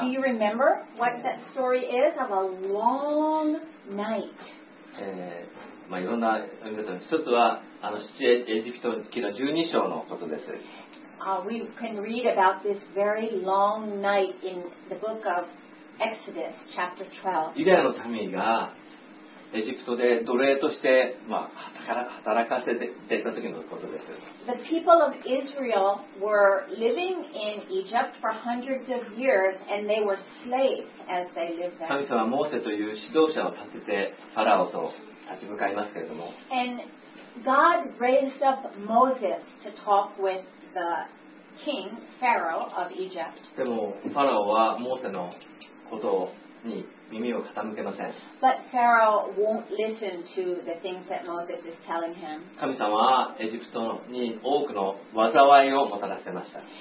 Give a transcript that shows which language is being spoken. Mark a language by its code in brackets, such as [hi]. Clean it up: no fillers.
[en] Do you remember what that story is of a long night? [ja] まあ、いろんな読み方、一つはあのエジプト記の12章のことです。 [en] We can read about this very long night in the book of Exodus, chapter 12. [ja] ユダヤの民がエジプトで奴隷として、まあ、働かせていた時のことです。 [en] The people of Israel were living in Egypt for hundreds of years and they were slaves as they lived there. [ja] 神様はモーセという指導者を立ててファラオと立ち向かいますけれども。 [en] And God raised up Moses to talk with the king, Pharaoh of Egypt. [ja] でもファラオはモーセのことに耳を傾けません。 [en] But Pharaoh won't listen to the things that Moses is telling him. [ja] 神様はエジプトに多くの災いをもたらせました。